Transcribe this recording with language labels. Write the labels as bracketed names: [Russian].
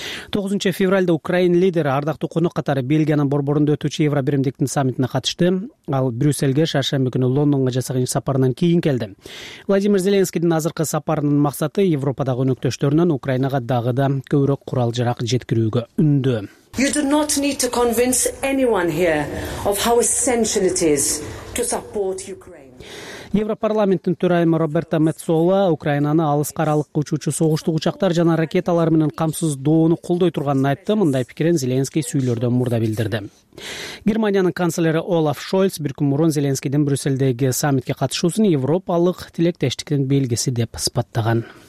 [Kyrgyz] Тогузунчу февралда Украина лидери ардактуу конок катары Бельгиянын борборунда өтүүчү Евробиримдиктин саммитине катышты. Ал Брюсселге шаршемби күнү Лондонго жасаган сапарынан кийин келди. Владимир Зеленскийдин азыркы сапарынын максаты Европадагы өнөктөштөрүнөн Украинага дагы да көбүрөөк курал жарак жеткирүүгө үндөө. [English] You do not need to convince anyone here of how essential it is to support Ukraine. [Kyrgyz] Европарламенттин төрайымы Роберта Мецола Украинаны алыскы аралык учуучу согуштук учактар жана ракеталар менен камсыздоону колдой турганын айтты. Мындай пикирин Зеленский сүйлөрдөн мурда билдирди. Германиянын канцлери Олаф Шольц бир күн мурун Зеленскийдин Брюссельдеги саммитке катышуусун европалык тилектештиктин белгиси деп сыпаттаган.